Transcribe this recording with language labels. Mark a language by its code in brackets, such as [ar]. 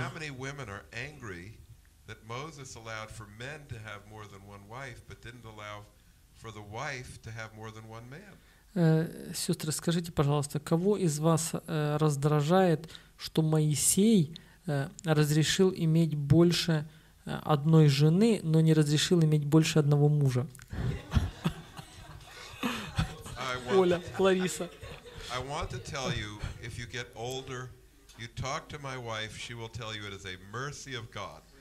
[en] How many women are angry that Moses allowed for men to have more than one wife, but didn't allow for the wife to have more than one man? [ru] Сестры, скажите, пожалуйста, кого из вас раздражает, что Моисей разрешил иметь больше одной жены, но не разрешил иметь больше одного мужа? Оля, Лариса. [en] I want to tell you, if you get older, you talk to my wife, she will tell you it is a mercy of God.